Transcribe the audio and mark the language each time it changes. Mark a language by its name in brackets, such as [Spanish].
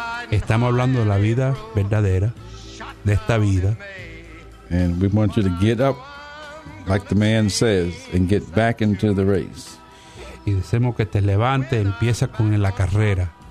[Spanish] Estamos hablando de la vida verdadera, de esta vida. [English] And we want you to get up, like the man says, and get back into the race. [Spanish] Y decimos que te levantes, empieza con la carrera.